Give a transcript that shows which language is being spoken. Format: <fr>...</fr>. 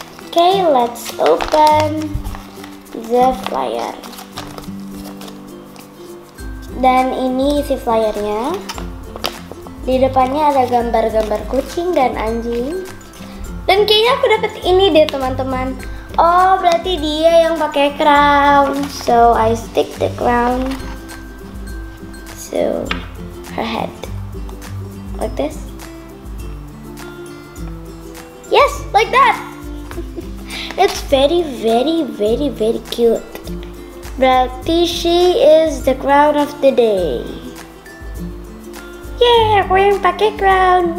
<en>Okay, let's open the flyer.</en> <id>Dan ini isi flyernya. Di depannya ada gambar-gambar kucing dan anjing. Dan kayaknya aku dapat ini deh teman-teman. Oh, berarti dia yang pakai crown.</id> <en>So I stick the crown to her head like this. Yes, like that. It's very, very, very, very cute.</en> <id>Berarti</id> <en>she is the crown of the day.</en> <id>Yay, aku yang pakai crown.</id>